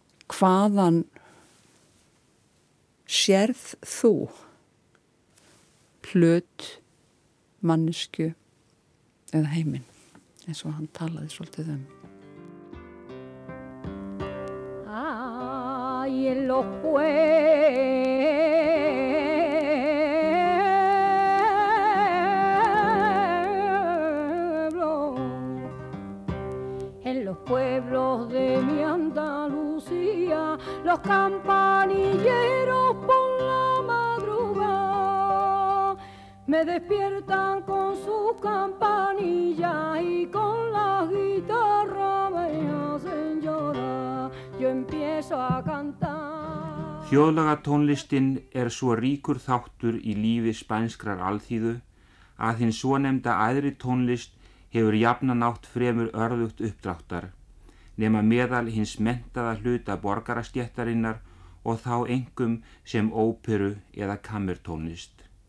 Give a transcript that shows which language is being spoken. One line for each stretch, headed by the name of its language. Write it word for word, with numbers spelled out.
Icelandic: Hvaðan sérð þú hlut, mannesku eða heiminn, eins og hann talaði svolítið um.
Spanish: Ay, en lo pueblo, en los pueblos de mi Andalucía, los campanilleros por la madrugada me despiertan con sus campanillas y con la guitarra me hacen llorar. Yo empiezo a cantar.
Icelandic: Þjóðlagatónlistin er svo ríkur þáttur í lífi spænskrar alþýðu að hinn svo nefnda æðri tónlist hefur jafnan átt fremur örðugt uppdráttar, nema meðal hins menntaða hluta borgarastjættarinnar og þá engum sem óperu eða kammertónlist.